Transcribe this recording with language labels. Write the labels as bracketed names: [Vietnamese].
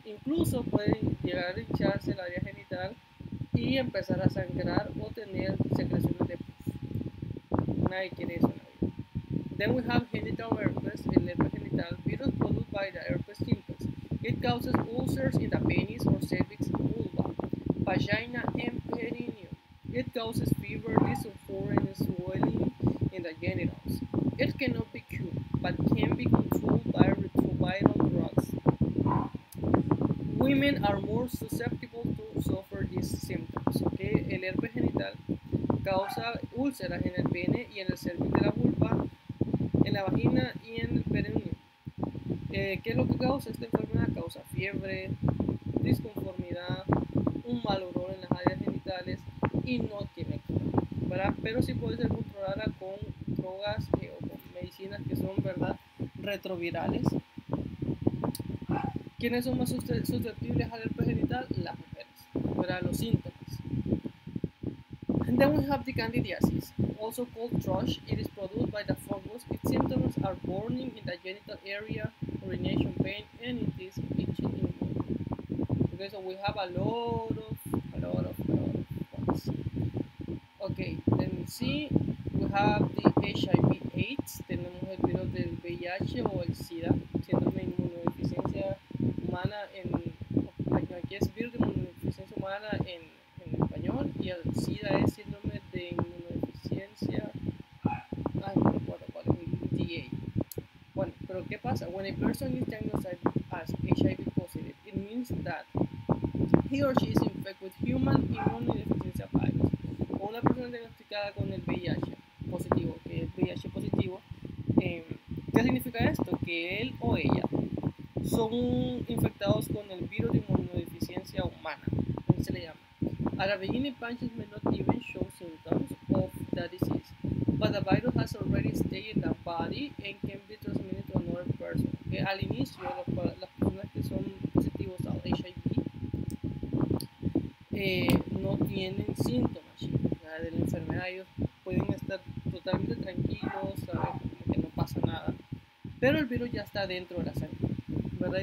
[Spanish] Incluso pueden llegar a hincharse el área genital y empezar a sangrar o tener secreciones de pus. Nadie quiere eso en la vida. [English] Then we have genital herpes, [Spanish] el herpes genital, [English] virus produced by the herpes simplex. It causes ulcers in the penis or cervix, vulva, vagina, and perineum. It causes fever, dysphoria, and swelling in the genitals. It cannot be cured, but can be controlled by retroviral drugs. Women are more susceptible to suffer these symptoms. Okay? [Spanish] El herpes genital causa úlceras en el pene y en el cervix de la vulva, en la vagina y en el perineum. ¿Qué es lo que causa esta enfermedad? Causa fiebre, disconformidad, un mal olor en las áreas genitales y no tiene cura, ¿verdad? Pero sí puede ser controlada con drogas o con medicinas que son, ¿verdad?, retrovirales. ¿Quiénes son más susceptibles al herpes genital? Las mujeres. ¿Verdad? Los síntomas. [English] Then we have the candidiasis, also called thrush. It is produced by the fungus. Its symptoms are burning in the genital area, urination pain, and it is itching in the body. Okay, so we have a lot of points. Okay, then we see we have the HIV AIDS. [Spanish] Tenemos el virus del VIH o el SIDA, síndrome de inmunodeficiencia humana en, aquí es virus de inmunodeficiencia humana en español, y el SIDA es síndrome de inmunodeficiencia, no recuerdo cuál es, DA. Bueno, pero ¿qué pasa? [English] When a person is diagnosed as HIV positive, it means that he or she is infected with human immunodeficiency virus. [Spanish] O una persona diagnosticada con el VIH positivo, que es VIH positivo, ¿qué significa esto? Que él o ella son infectados con el virus de inmunodeficiencia humana. ¿Cómo se le llama? [English] Arabellini punches may not even show symptoms of the disease, but the virus has already stayed in the body and can be transmitted to another person. [Spanish] Okay, al inicio, las personas que son positivos al HIV no tienen síntomas, ¿sí?, de la enfermedad. Ellos pueden estar totalmente tranquilos, como que no pasa nada, pero el virus ya está dentro de la sangre, ¿verdad?